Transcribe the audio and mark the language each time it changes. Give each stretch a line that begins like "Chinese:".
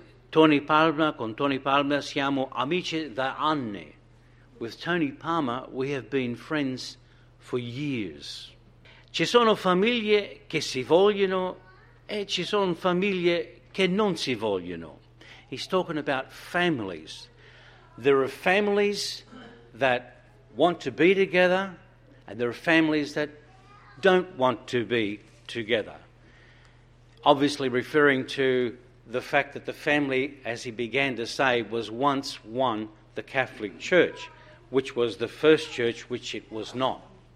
Italian: Tony Palmer, con Tony Palmer siamo amici da anni.
English: With Tony Palmer, we have been friends for years.
Italian: Ci sono famiglie che si vogliono e ci sono famiglie che non si vogliono.
English: He's talking about families. There are families that want to be together and there are families that don't want to be together. Obviously referring to the fact that the family, as he began to say, was once one, the Catholic Church, which was the first church, which it was not.